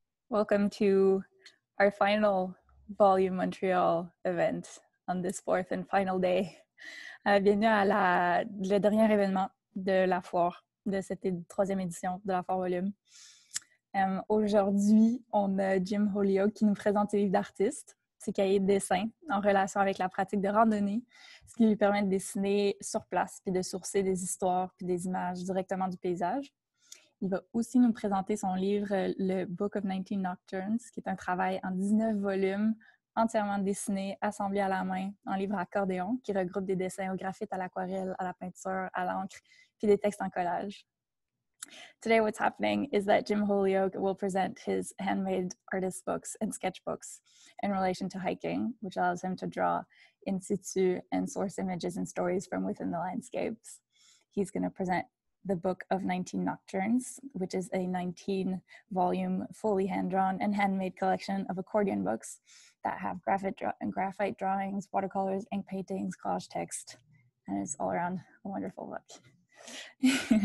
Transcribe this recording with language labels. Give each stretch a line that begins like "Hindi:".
English: Welcome to our final Volume Montreal event on this fourth and final day.
French: Bienvenue à le dernier événement de la foire, de cette troisième édition de la foire Volume. Aujourd'hui, on a Jim Holyoak qui nous présente ses livres d'artiste, ses cahiers de dessin en relation avec la pratique de randonnée, ce qui lui permet de dessiner sur place puis de sourcer des histoires puis des images directement du paysage. Il va aussi nous présenter son livre « Le Book of 19 Nocturnes », qui est un travail en 19 volumes, entièrement dessiné, assemblé à la main, en livre accordéon, qui regroupe des dessins au graphite, à l'aquarelle, à la peinture, à l'encre, puis des textes en collage.
English: Today, what's happening is that Jim Holyoak will present his handmade artist books and sketchbooks in relation to hiking, which allows him to draw in situ and source images and stories from within the landscapes. He's going to present the Book of 19 Nocturnes, which is a 19-volume, fully hand-drawn and handmade collection of accordion books that have graphite drawings, watercolors, ink paintings, collage text, and it's all around a wonderful book.